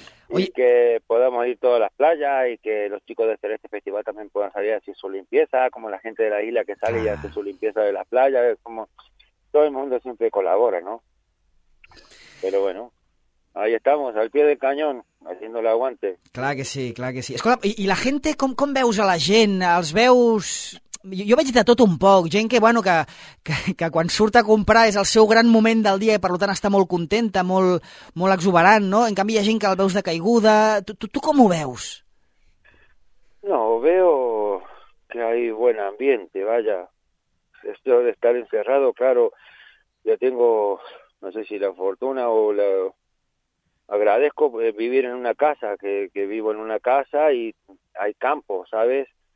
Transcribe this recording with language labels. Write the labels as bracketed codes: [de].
[es] Oye, y que podamos ir todas las playas y que los chicos de este festival también puedan salir a hacer su limpieza, como la gente de la isla que sale y hace su limpieza de las playas, como todo el mundo siempre colabora, ¿no? Pero bueno, ahí estamos, al pie del cañón, haciendo el aguante. [ca] Clar que sí, clar que sí. Escolta, i la gente, com veus a la gent? Els veus... Jo veig de tot un poc, gent que, bueno, que quan surt a comprar és el seu gran moment del dia i per tant està molt contenta, molt, molt exuberant, no? En canvi hi ha gent que el veus de caiguda. Tu com ho veus? [es] No, veo que hay buen ambiente, vaya. Esto de estar encerrado, claro, yo tengo, no sé si la fortuna o la... Agradezco vivir en una casa, que vivo en una casa y hay campo, ¿sabes?